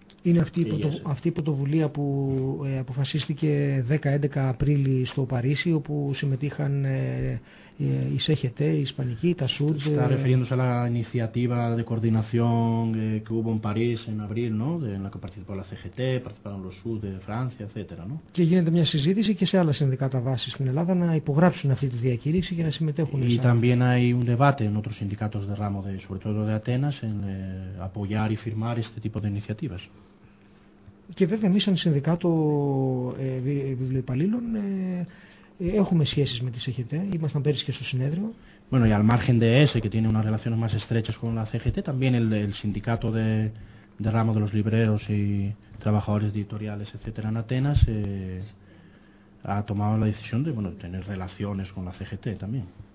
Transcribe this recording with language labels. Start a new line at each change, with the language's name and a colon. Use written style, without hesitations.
Greek: Είναι αυτή η πρωτοβουλία που αποφασίστηκε 10-11 Απρίλη στο Παρίσι, όπου συμμετείχαν οι CGT, οι Ισπανικοί, τα ΣΟΥΤ.
Spanish: Está refiriéndose a la iniciativa de coordinación que hubo en París en Abril, ¿no? En la que participó la CGT, participaron los ΣΟΥΤ de Francia, etc. ¿No?
Greek: Και γίνεται μια συζήτηση και σε άλλα συνδικάτα βάση στην Ελλάδα να υπογράψουν αυτή τη διακήρυξη και να συμμετέχουν.
Spanish: Y también hay un debate en otros sindicatos de ramo, sobre todo de Atenas, en apoyar y firmar este tipo de iniciativas.
Greek: Και βέβαια εμείς σαν συνδικάτο βιβλιοπαλλήλων έχουμε σχέσεις με τη CGT, ήμασταν πέρυσι και στο συνέδριο.
Spanish: Bueno, y al margen de ese, que tiene unas relaciones más estrechas con la CGT, también el sindicato de ramo de los libreros y trabajadores editoriales, etc., en Atenas, ha tomado la decisión de, bueno, tener relaciones con la CGT también.